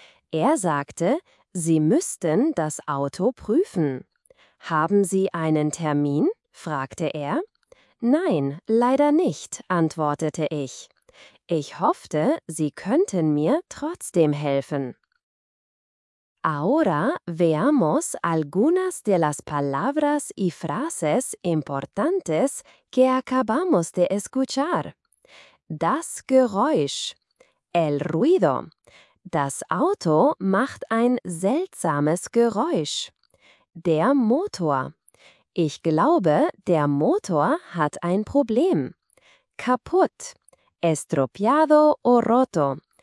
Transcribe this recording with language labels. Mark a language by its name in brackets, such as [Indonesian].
[German] Er sagte, Sie müssten das Auto prüfen. Haben Sie einen Termin? Fragte er. Nein, leider nicht, antwortete ich. Ich hoffte, Sie könnten mir trotzdem helfen. [Spanish] Ahora veamos algunas de las palabras y frases importantes que acabamos de escuchar. [German] Das Geräusch, [Spanish] el ruido. [German] Das Auto macht ein seltsames Geräusch. Der Motor. Ich glaube, der Motor hat ein Problem. [Spanish] Kaputt. Estropeado o roto.